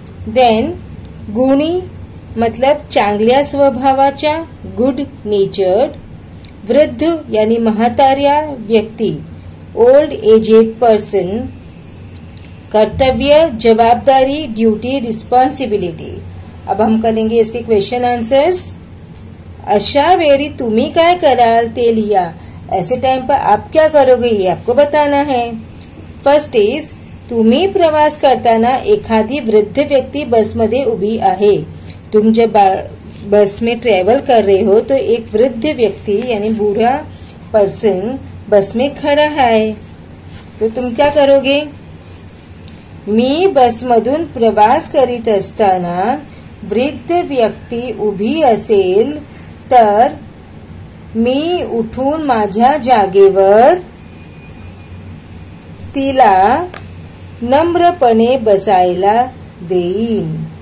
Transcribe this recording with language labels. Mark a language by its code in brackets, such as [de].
[mr] Then गुणी मतलब चांगल्या स्वभावाचा गुड नेचर्ड, वृद्ध यानी महातार्या व्यक्ति ओल्ड एजेड पर्सन, कर्तव्य जवाबदारी ड्यूटी रिस्पॉन्सिबिलिटी। [hi] अब हम करेंगे इसके क्वेश्चन आंसर्स। [mr] अशा वेळी तुम्ही काय कराल ते लिया, [hi] ऐसे टाइम पर आप क्या करोगे ये आपको बताना है। [en] first is [mr] तुम्ही प्रवास करताना एखादी वृद्ध व्यक्ति बस मध्ये उभी आहे। [hi] तुम जब बस में ट्रेवल कर रहे हो तो एक वृद्ध व्यक्ति यानी बूढ़ा पर्सन बस में खड़ा है, तो तुम क्या करोगे। [mr] मी बस मधून प्रवास करीत असताना वृद्ध व्यक्ति उभी असेल तर मी उठून माझ्या जागेवर तिला नम्रपणे बसायला देईन।